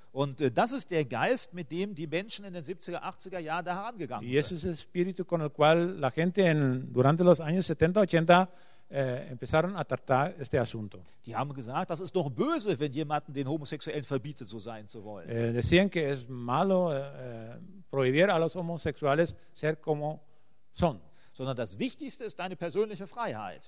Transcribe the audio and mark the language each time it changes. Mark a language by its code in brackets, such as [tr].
[de] Und das ist der Geist, mit dem die Menschen in den 70er, 80er Jahren da herangegangen [es] sind. Y ese es el espíritu con el cual la gente durante los años 70, 80 empezaron a tratar este asunto. [de] Die haben gesagt, das ist doch böse, wenn jemanden den Homosexuellen verbietet, so sein zu wollen. [es] Decían que es malo prohibir a los homosexuales ser como son. [de] Sondern das Wichtigste ist deine persönliche Freiheit.